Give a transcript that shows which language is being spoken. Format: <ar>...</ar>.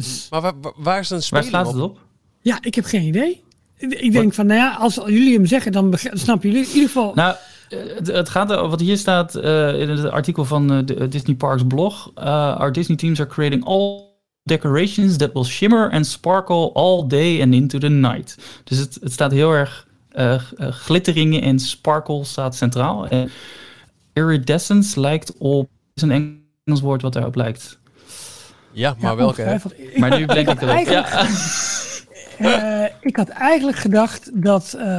<nl>Maar waar is een spelling op? Waar staat het op? Ja, ik heb geen idee. Ik denk van, nou ja, als jullie hem zeggen, dan snappen jullie in ieder geval... Nou, het gaat er, wat hier staat in het artikel van de Disney Parks blog.</nl> <en>Our Disney teams are creating all decorations that will shimmer and sparkle all day and into the night.</en> <nl>Dus het staat heel erg, glitteringen en sparkle staat centraal. En iridescence lijkt op, is een Engels woord wat daarop lijkt. Ja, maar ja, welke? Maar nu denk ik erop. Ja. Ik had eigenlijk gedacht dat...</nl>